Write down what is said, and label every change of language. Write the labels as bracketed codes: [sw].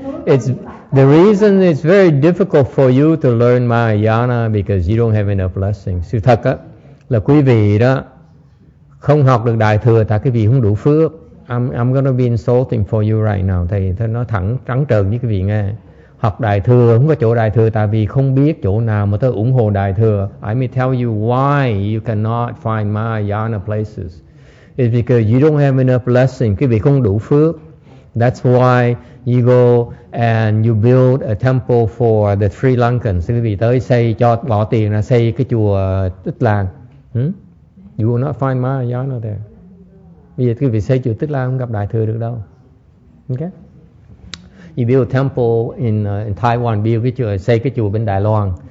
[en] It's the reason it's very difficult for you to learn Mahayana because you don't have enough blessings. [vi] Sự thật á là quý vị đó không học được đại thừa tại quý vị không đủ phước. [en] I'm gonna be insulting for you right now. [vi] Thầy nói thẳng trắng trợn với quý vị nghe. Học đại thừa không có chỗ đại thừa tại vì không biết chỗ nào mà tôi ủng hộ đại thừa. [en] I may tell you why you cannot find Mahayana places. It's because you don't have enough blessing. [vi] Quý vị không đủ phước. [en] That's why you go and you build a temple for the Sri Lankans. [vi] Quý vị tới xây cho bỏ tiền ra xây cái chùa Tích Lan. [en] You will not find Mahayana there. [vi] Bây giờ quý vị xây chùa Tích Lan không gặp đại thừa được đâu. Okay. [en] You build a temple in Taiwan, build [vi] cái chùa, xây cái chùa bên Đài Loan.